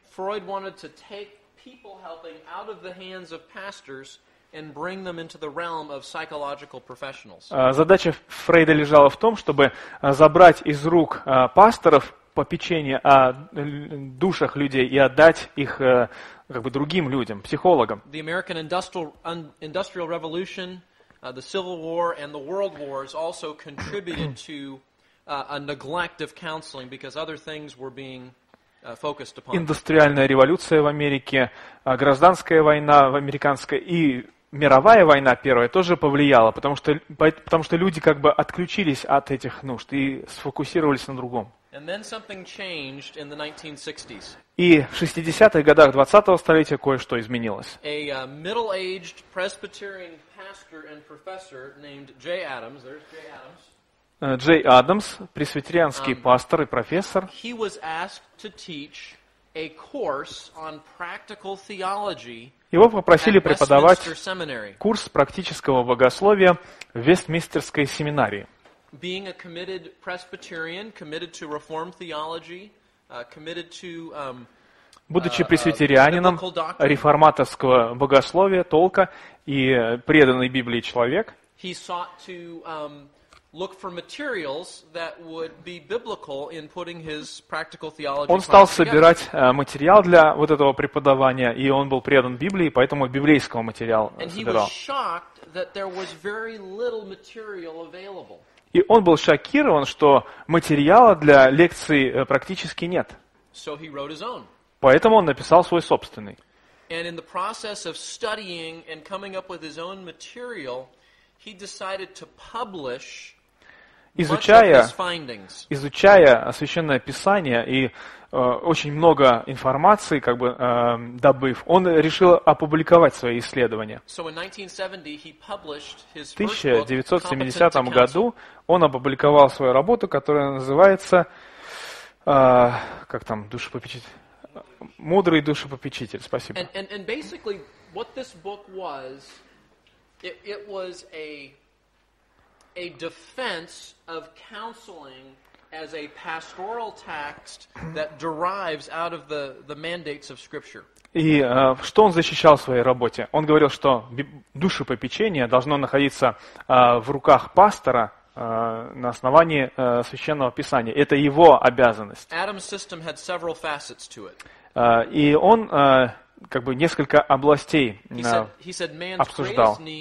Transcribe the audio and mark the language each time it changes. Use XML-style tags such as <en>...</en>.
<en>Freud wanted to take people helping out of the hands of pastors and bring them into the realm of psychological professionals.</en> <ru>Задача Фрейда лежала в том, чтобы забрать из рук пасторов попечение о душах людей и отдать их другим людям, психологам.</ru> <en>The American Industrial Revolution, the Civil War and the World Wars also contributed to a neglect of counseling because other things were being focused upon.</en> <ru>Индустриальная революция в Америке, гражданская война в американской и мировая война первая тоже повлияла, потому что люди как бы отключились от этих нужд и сфокусировались на другом. И в 60-х годах 20-го столетия кое-что изменилось.</ru> <en>A middle-aged Presbyterian pastor and professor named Jay Adams. There's Jay Adams.</en> <ru>Джей Адамс, пресвитерианский пастор и профессор.</ru> <en>He was asked to teach a course on practical theology.</en> <ru>Его попросили преподавать курс практического богословия в Вестминстерской семинарии.</ru> <en>Being a committed Presbyterian, committed to reform theology, committed to,</en> <ru>будучи пресвитерианином реформаторского богословия, толка и преданный Библии человек,</ru> <en>he sought to look for materials that would be biblical in putting his practical theology.</en> <ru>Он стал собирать материал для вот этого преподавания, и он был предан Библии, поэтому библейского материала собирал.</ru> <en>And he was shocked that there was very little material available.</en> <ru>И он был шокирован, что материала для лекции практически нет.</ru> <en>So he wrote his own.</en> <ru>Поэтому он написал свой собственный.</ru> <en>And in the process of studying and coming up with his own material, he decided to publish much of his findings.</en> <ru>Изучая Священное Писание и очень много информации, добыв, он решил опубликовать свои исследования.</ru> <en>So in 1970 he published his first book.</en> <ru>В 1970 году он опубликовал свою работу, которая называется Душепопечитель. Мудрый душепопечитель. Спасибо.</ru> <en>And basically what this book was, it was a defense of counseling as a pastoral text that derives out of the mandates of Scripture.</en> <ru>И что он защищал в своей работе? Он говорил, что душепопечение должно находиться в руках пастора на основании Священного Писания. Это его обязанность.</ru> <en>Adam's system had several facets to it.</en> <ru>И он несколько областей обсуждал.</ru>